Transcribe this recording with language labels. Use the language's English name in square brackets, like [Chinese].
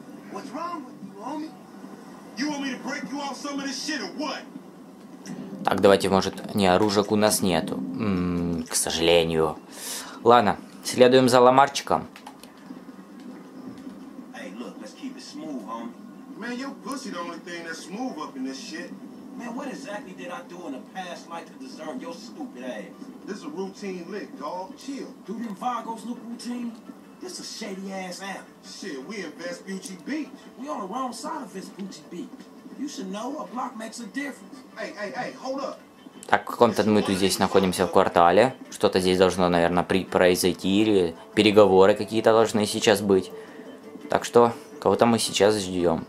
[English] What's wrong with you, homie? You want me to break you off some of this shit or what? [Russian] Так, давайте, может, не оружек у нас нету. К сожалению. Ладно, следуем за Ламарчиком. [English] Hey, look, let's keep it smooth, homie. Man, your pussy the only thing that's smooth up in this shit. Man, what exactly did I do in a past life to deserve your stupid ass? This is a routine lick, dog. Chill. Do them Vagos look routine? This is a shady ass alley. Shit, we in Vespucci Beach. We on the wrong side of Vespucci Beach. You should know a block makes a difference. Hey, hold up. [Russian] Так, в каком-то мы тут здесь находимся в квартале. Что-то здесь должно, наверное, произойти, или переговоры какие-то должны сейчас быть. Так что, кого-то мы сейчас ждем.